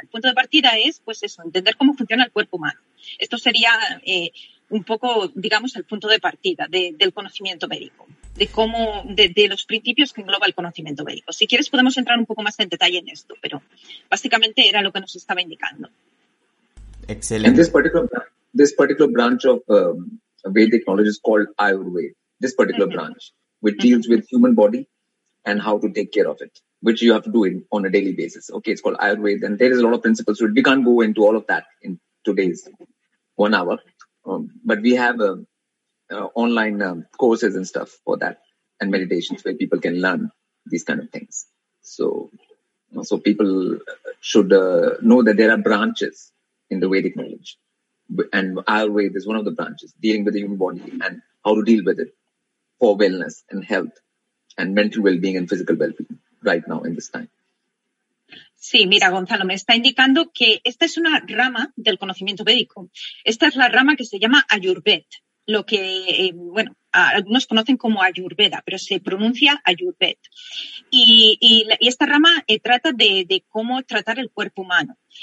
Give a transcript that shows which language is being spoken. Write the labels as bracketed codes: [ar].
[es] El punto de partida es, pues eso, entender cómo funciona el cuerpo humano. Esto sería un poco, digamos, el punto de partida del conocimiento médico, de cómo, de los principios que engloba el conocimiento médico. Si quieres, podemos entrar un poco más en detalle en esto, pero básicamente era lo que nos estaba indicando. Excelente. [en] And this particular branch of Vedic knowledge is called Ayurveda. This particular mm-hmm. branch, which deals mm-hmm. with human body and how to take care of it, which you have to do it on a daily basis. Okay, it's called Ayurveda, and there is a lot of principles. We can't go into all of that in 2 days, 1 hour. But we have online courses and stuff for that, and meditations where people can learn these kind of things. So people should know that there are branches in the Vedic knowledge. And Ayurveda is one of the branches, dealing with the human body and how to deal with it for wellness and health and mental well-being and physical well-being right now in this time. [es] Sí, mira, Gonzalo, me está indicando que esta es una rama del conocimiento védico. Esta es la rama que se llama Ayurveda, lo que, algunos conocen como Ayurveda, pero se pronuncia Ayurveda. Y esta rama trata de cómo tratar el cuerpo humano.